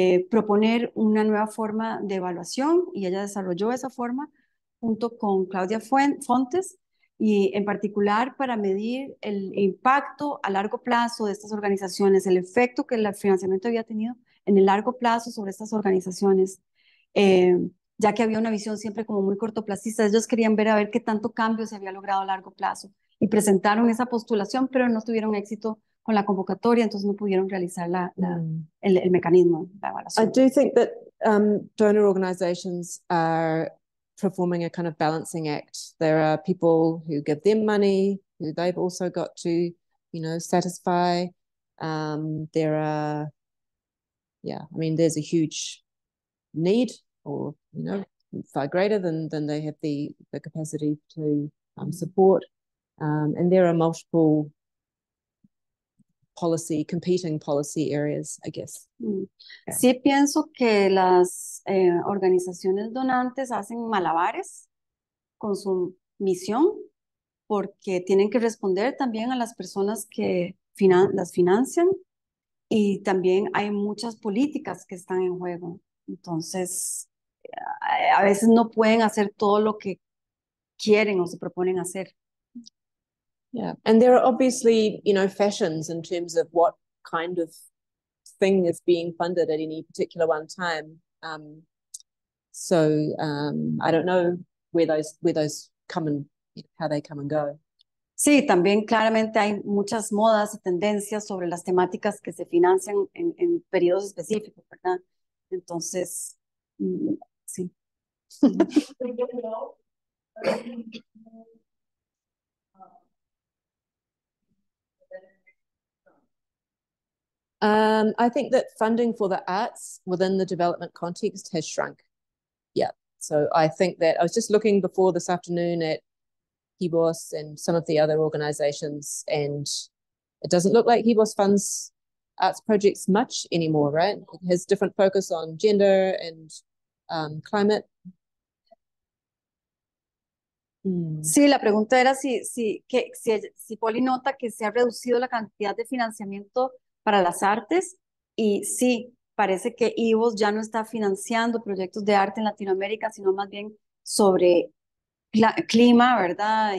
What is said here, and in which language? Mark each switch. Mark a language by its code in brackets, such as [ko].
[es] proponer una nueva forma de evaluación y ella desarrolló esa forma junto con Claudia Fontes y en particular para medir el impacto a largo plazo de estas organizaciones, el efecto que el financiamiento había tenido en el largo plazo sobre estas organizaciones, ya que había una visión siempre como muy cortoplacista, ellos querían ver a ver qué tanto cambio se había logrado a largo plazo y presentaron esa postulación, pero no tuvieron éxito con la convocatoria, entonces no pudieron realizar el mecanismo de [en] I [es] evaluación. [en] do think that donor organizations are performing a kind of balancing act. There are people who give them money, who they've also got to, satisfy. There are, I mean, there's a huge need, or, far greater than they have the capacity to support. And there are multiple policy, competing policy areas, I guess. [es] Sí, pienso que las organizaciones donantes hacen malabares con su misión porque tienen que responder también a las personas que las financian y también hay muchas políticas que están en juego. Entonces, a veces no pueden hacer todo lo que quieren o se proponen hacer. [en] And there are obviously, fashions in terms of what kind of thing is being funded at any particular one time. I don't know where those come and how they come and go. [es] Sí, también claramente hay muchas modas y tendencias sobre las temáticas que se financian en periodos específicos, ¿verdad? Entonces, sí. [en] I think that funding for the arts within the development context has shrunk. So I think that I was just looking before this afternoon at HBOS and some of the other organizations, and it doesn't look like HBOS funds arts projects much anymore, right? It has different focus on gender and climate. [es] Sí, la pregunta era si Poli nota que se ha reducido la cantidad de financiamiento para las artes y sí, parece que IVOS ya no está financiando proyectos de arte en Latinoamérica, sino más bien sobre clima, ¿verdad?